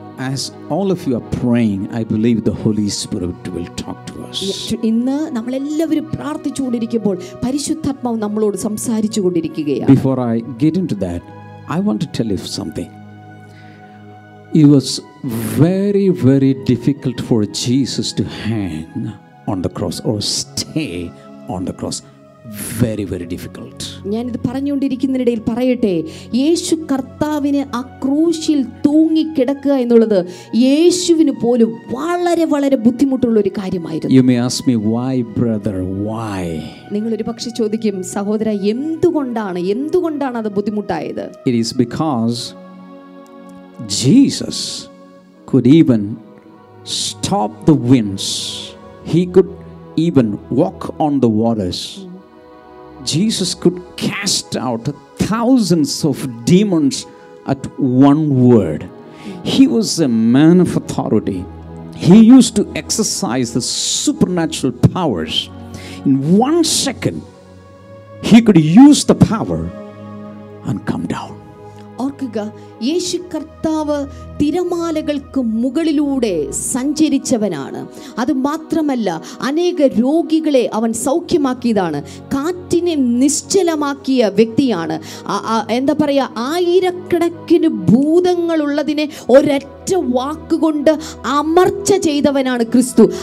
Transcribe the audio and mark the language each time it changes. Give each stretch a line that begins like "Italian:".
English: As all of you are praying, I believe the Holy Spirit will talk to us.
Malayalam: ഇന്ന് നമ്മളെല്ലാവരും പ്രാർത്ഥിച്ചുകൊണ്ടിരിക്കുമ്പോൾ പരിശുദ്ധാത്മാവ് നമ്മളോട് സംസാരിച്ചുകൊണ്ടിരിക്കുകയാണ്.
English: Before I get into that, I want to tell you something. It was very, very difficult for Jesus to hang on the cross or stay on the cross. Very, very difficult.
Malayalam: ഞാൻ ഇത് പറഞ്ഞുകൊണ്ടിരിക്കുന്നതിനിടയിൽ പറയട്ടെ, യേശു കർത്താവിനെ ആ ക്രൂശിൽ തൂങ്ങിക്കിടക്കുക എന്നുള്ളത് യേശുവിന് പോലും വളരെ വളരെ ബുദ്ധിമുട്ടുള്ള ഒരു കാര്യമായിരുന്നു.
English: You may ask me, why, brother, why?
Malayalam: നിങ്ങൾ ഒരു പക്ഷേ ചോദിക്കും, സഹോദര എന്തുകൊണ്ടാണ് അത് ബുദ്ധിമുട്ടായത്?
English: It is because Jesus could even stop the winds. He could even walk on the waters. Jesus could cast out thousands of demons at one word. He was a man of authority. He used to exercise the supernatural powers. In one second, he could use the power and come down.
Malayalam: ഓർക്കുക, യേശു കർത്താവ് തിരമാലകൾക്ക് മുകളിലൂടെ സഞ്ചരിച്ചവനാണ്. അതുമാത്രമല്ല, അനേക രോഗികളെ അവൻ സൗഖ്യമാക്കിയതാണ്. കാറ്റിനെ നിശ്ചലമാക്കിയ വ്യക്തിയാണ്. എന്താ പറയുക, ആയിരക്കണക്കിന് ഭൂതങ്ങളുള്ളതിനെ ഒരൊറ്റ വാക്കുകൊണ്ട് അമർച്ച ചെയ്തവനാണ് ക്രിസ്തു.